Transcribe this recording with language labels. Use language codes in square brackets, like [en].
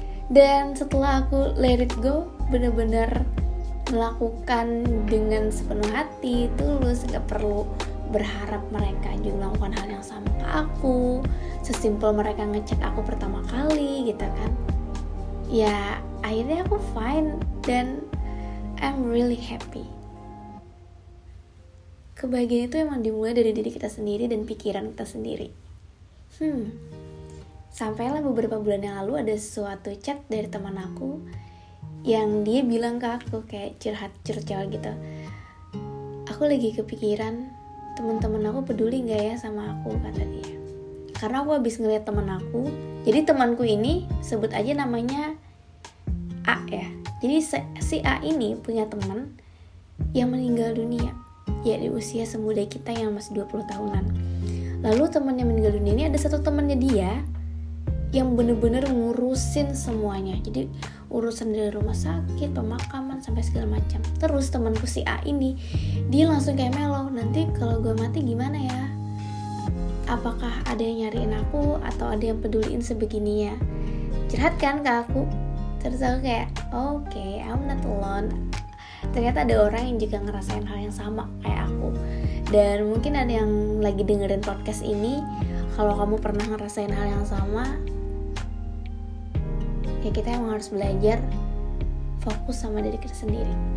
[id] Dan setelah aku let it go, benar-benar melakukan dengan sepenuh hati, tulus, gak perlu berharap mereka juga melakukan hal yang sama ke aku, sesimpel mereka ngechat aku pertama kali gitu kan. Ya akhirnya aku fine dan I'm really happy. Kebahagiaan itu emang dimulai dari diri kita sendiri dan pikiran kita sendiri. Sampailah beberapa bulan yang lalu ada suatu chat dari teman aku yang dia bilang ke aku kayak curhat curcol gitu. Aku lagi kepikiran, teman-teman aku peduli gak ya sama aku, kata dia. Karena aku habis ngeliat teman aku, jadi temanku ini sebut aja namanya A ya. Jadi si A ini punya teman yang meninggal dunia, ya di usia semuda kita yang masih 20 tahunan. Lalu teman yang meninggal dunia ini ada satu temannya dia yang bener-bener ngurusin semuanya. Jadi urusan dari rumah sakit, pemakaman, sampai segala macam. Terus temanku si A ini, dia langsung kayak melo, nanti kalau gue mati gimana ya? Apakah ada yang nyariin aku atau ada yang peduliin sebegininya? Cerhat kan ke aku? [en] Terus aku kayak, okay, I'm not alone. [id] Ternyata ada orang yang juga ngerasain hal yang sama kayak aku. Dan mungkin ada yang lagi dengerin podcast ini, kalau kamu pernah ngerasain hal yang sama, ya kita emang harus belajar fokus sama diri kita sendiri.